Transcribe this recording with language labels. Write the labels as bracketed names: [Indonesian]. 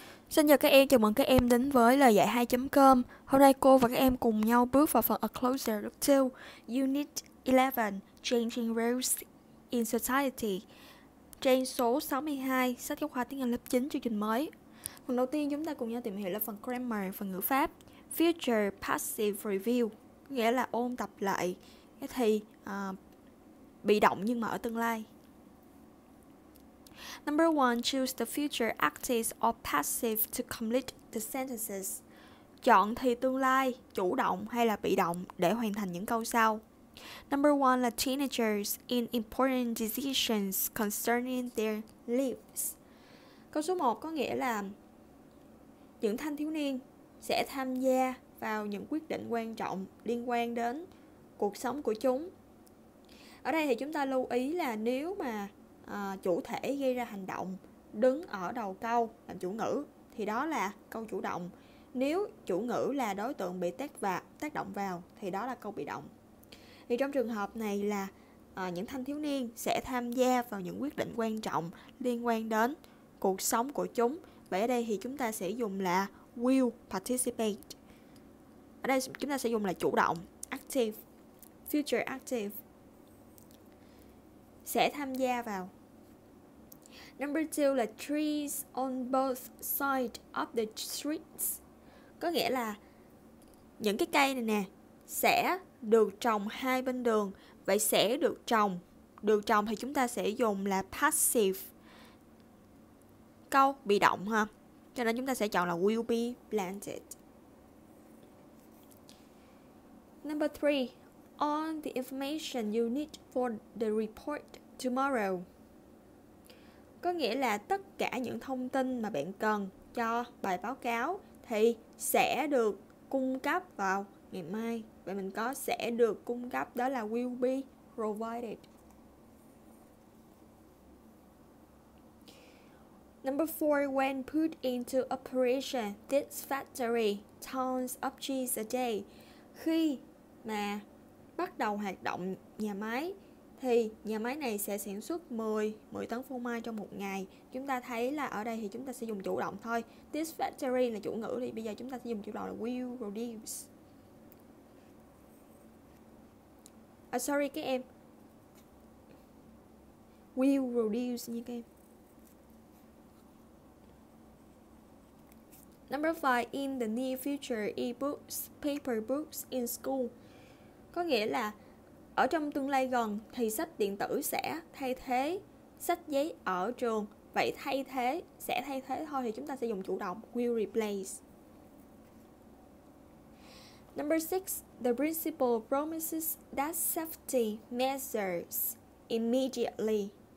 [Vietnamese] Xin chào các em, chào mừng các em đến với lời dạy 2.com. Hôm nay cô và các em cùng nhau bước vào phần A Closer Look To, Unit 11, Changing Roles in Society, trang số 62, sách giáo khoa tiếng Anh lớp 9, chương trình mới. Phần đầu tiên chúng ta cùng nhau tìm hiểu là phần grammar, phần ngữ pháp, Future Passive Review, nghĩa là ôn tập lại cái thì bị động nhưng mà ở tương lai. [English] Number one, choose the future active or passive to complete the sentences. [Vietnamese] Chọn thì tương lai, chủ động hay là bị động để hoàn thành những câu sau. [English] Number one là teenagers in important decisions concerning their lives. [Vietnamese] Câu số 1 có nghĩa là những thanh thiếu niên sẽ tham gia vào những quyết định quan trọng liên quan đến cuộc sống của chúng. Ở đây thì chúng ta lưu ý là nếu mà chủ thể gây ra hành động đứng ở đầu câu làm chủ ngữ thì đó là câu chủ động. Nếu chủ ngữ là đối tượng bị tác động vào thì đó là câu bị động. Thì trong trường hợp này là những thanh thiếu niên sẽ tham gia vào những quyết định quan trọng liên quan đến cuộc sống của chúng. Vậy ở đây thì chúng ta sẽ dùng là [English] will participate. [Vietnamese] Ở đây chúng ta sẽ dùng là chủ động, active, future active, sẽ tham gia vào. [English] Number two là trees on both sides of the streets. [Vietnamese] Có nghĩa là những cái cây này nè sẽ được trồng hai bên đường. Vậy sẽ được trồng, được trồng thì chúng ta sẽ dùng là passive, câu bị động ha. Cho nên chúng ta sẽ chọn là [English] will be planted. Number three, on the information you need for the report tomorrow. [Vietnamese] Có nghĩa là tất cả những thông tin mà bạn cần cho bài báo cáo thì sẽ được cung cấp vào ngày mai. Vậy mình có sẽ được cung cấp, đó là [English] will be provided. Number four, when put into operation, this factory tons of cheese a day. [Vietnamese] Khi mà bắt đầu hoạt động nhà máy thì nhà máy này sẽ sản xuất 10 tấn phô mai trong một ngày. Chúng ta thấy là ở đây thì chúng ta sẽ dùng chủ động thôi. [English] This factory [Vietnamese] là chủ ngữ, thì bây giờ chúng ta sẽ dùng chủ động là [English] will produce. Sorry [Vietnamese] các em. [English] Will produce [Vietnamese] nha các em. [English] Number 5, in the near future, e-books, paper books in school. [Vietnamese] Có nghĩa là ở trong tương lai gần thì sách điện tử sẽ thay thế sách giấy ở trường. Vậy thay thế, sẽ thay thế thôi thì chúng ta sẽ dùng chủ động, [English] will replace. Number 6, the principal promises that safety measures immediately.